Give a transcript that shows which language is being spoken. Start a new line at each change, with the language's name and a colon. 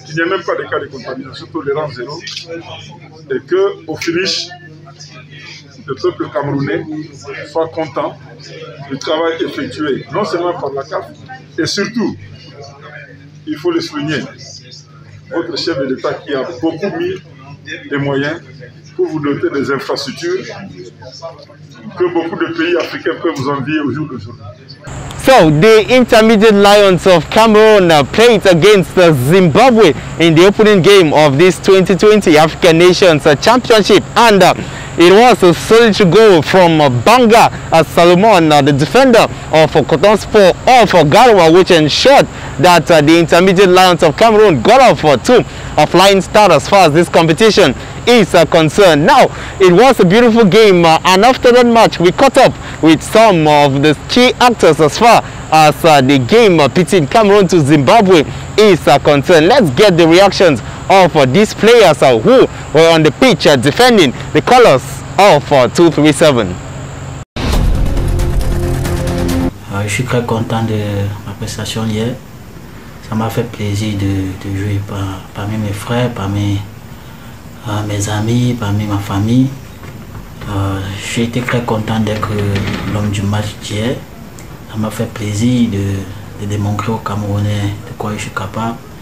French: Il n'y a même pas de cas de contamination, tolérance zéro. Et qu'au finish, le peuple camerounais soit content du travail effectué, non seulement par la CAF, et surtout, il faut le souligner, votre chef de l'État qui a beaucoup mis des moyens pour vous doter des infrastructures que beaucoup de pays africains peuvent vous envier au jour d'aujourd'hui.
English: So, the Intermediate Lions of Cameroon played against Zimbabwe in the opening game of this 2020 African Nations Championship. And it was a solid goal from Banga Salomon, the defender of Cotonou of Garoua, which ensured that the Intermediate Lions of Cameroon got off to a flying start as far as this competition is concerned. Now, it was a beautiful game, and after that match, we caught up with some of the key actors as far as the game pitting Cameroon to Zimbabwe is concerned. Let's get the reactions of these players who were on the pitch defending the colors of 237.
French: Je suis très content de ma prestation hier. Ça m'a fait plaisir de jouer parmi mes frères, parmi mes amis, parmi ma famille. J'ai été très content d'être l'homme du match d'hier. Ça m'a fait plaisir de démontrer aux Camerounais de quoi je suis capable.